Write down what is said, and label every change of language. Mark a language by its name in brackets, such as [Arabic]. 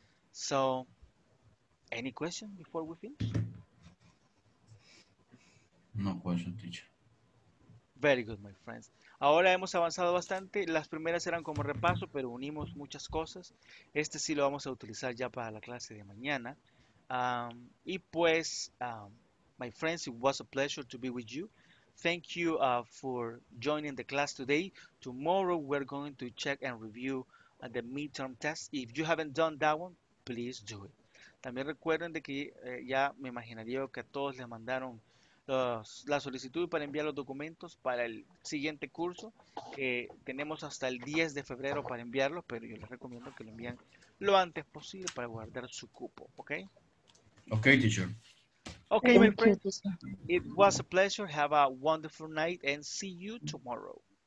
[English] So, any question before we finish? No question, teacher. Very good, my friends. [Spanish] Ahora hemos avanzado bastante. Las primeras eran como repaso, pero unimos muchas cosas. Este sí lo vamos a utilizar ya para la clase de mañana. Y pues, [English] my friends, it was a pleasure to be with you. Thank you for joining the class today. Tomorrow we're going to check and review the midterm test. If you haven't done that one, please do it. [Spanish] También recuerden de que ya me imaginaría que a todos les mandaron la solicitud para enviar los documentos para el siguiente curso, que tenemos hasta el 10 de febrero para enviarlos, pero yo les recomiendo que lo envíen lo antes posible para guardar su cupo, ¿ok? [English] Ok, teacher. Ok, thank my friend. You, it was a pleasure. Have a wonderful night and see you tomorrow.